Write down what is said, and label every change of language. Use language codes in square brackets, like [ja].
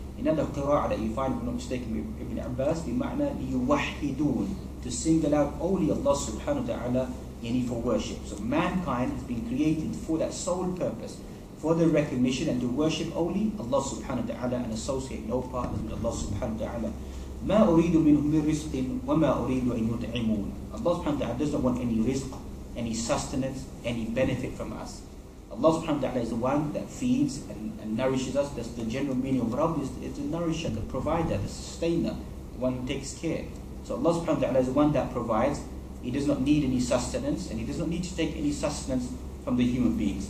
[en] In another qira'ah that you find, if I'm not mistaken, Ibn Abbas, [ar] بِمَعْنَى لِيُوَحِّدُونَ. [en] To single out only Allah subhanahu wa ta'ala for worship. So mankind has been created for that sole purpose, for the recognition and to worship only Allah subhanahu wa ta'ala and associate no partners with Allah subhanahu wa ta'ala. [ar] ما أريد منهم من رزق وما أريد أن يطعمون. [en] Allah subhanahu wa ta'ala doesn't want any rizq, any sustenance, any benefit from us. Allah subhanahu wa ta'ala is the one that feeds and nourishes us. That's the general meaning of Rabb, is the nourisher, the provider, the sustainer, the one who takes care. So Allah subhanahu wa ta'ala is the one that provides. He does not need any sustenance, and he does not need to take any sustenance from the human beings.